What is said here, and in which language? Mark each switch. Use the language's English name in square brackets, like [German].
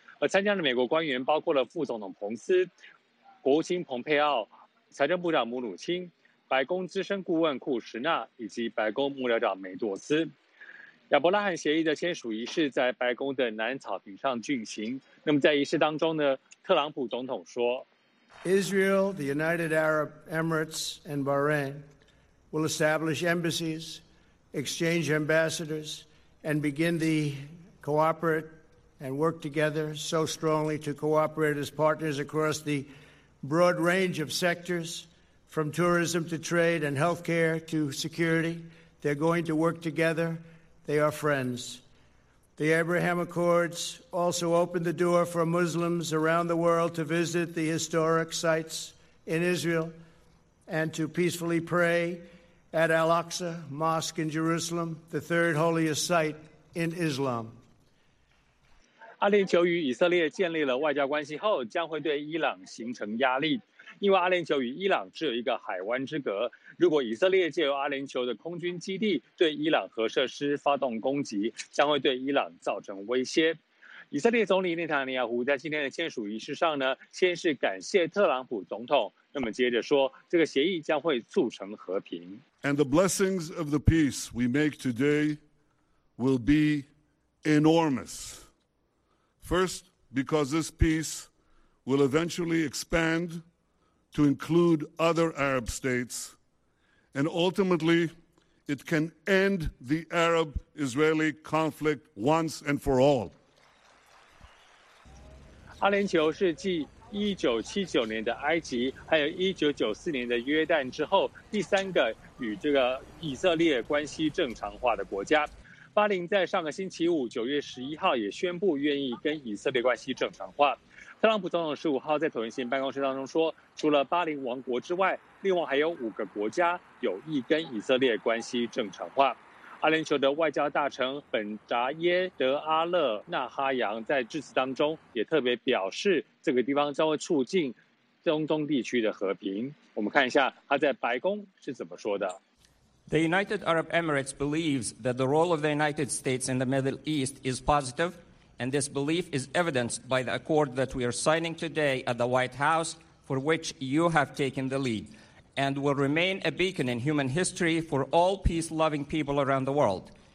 [Chinese] 而参加的美国官员包括了副总统彭斯、国务卿蓬佩奥、财政部长姆努钦、白宫资深顾问库什纳以及白宫幕僚长梅朵斯。亚伯拉罕协议的签署仪式在白宫的南草坪上进行。那么在仪式当中呢，特朗普总统说 [English] Israel, the United Arab Emirates and Bahrain will establish embassies, exchange ambassadors and begin the cooperate and work together so strongly to cooperate as partners across the broad range of sectors. From tourism to trade and healthcare to security, they're going to work together. They are friends. The Abraham Accords also opened the door for Muslims around the world to visit the historic sites in Israel and to peacefully pray at Al-Aqsa Mosque in Jerusalem, the third holiest site in Islam. [Chinese] 阿联酋与以色列建立了外交关系后，将会对伊朗形成压力。因为阿联酋与伊朗只有一个海湾之隔，如果以色列借由阿联酋的空军基地对伊朗核设施发动攻击，将会对伊朗造成威胁。以色列总理内塔尼亚胡在今天的签署仪式上呢，先是感谢特朗普总统，那么接着说，这个协议将会促成和平。 [English] And the blessings of the peace we make today will be enormous. First, because this peace will eventually expand. To include other Arab states, and ultimately, it can end the Arab-Israeli conflict once and for all. [Chinese] 阿联酋是继1979年的埃及，还有1994年的约旦之后，第三个与这个以色列关系正常化的国家。巴林在上个星期五9月11号也宣布愿意跟以色列关系正常化。特朗普总统15号在椭圆形办公室当中说，除了巴林王国之外，另外还有5个国家有意跟以色列关系正常化。阿联酋的外交大臣本扎耶德阿勒纳哈扬在致辞当中也特别表示，这个地方将会促进中东地区的和平。我们看一下他在白宫是怎么说的。 [English] The United Arab Emirates believes that the role of the United States in the Middle East is positive. And this belief is evidenced by the accord that we are signing today at the White House, for which you have taken the lead, and will remain a beacon in human history for all peace-loving people around the world.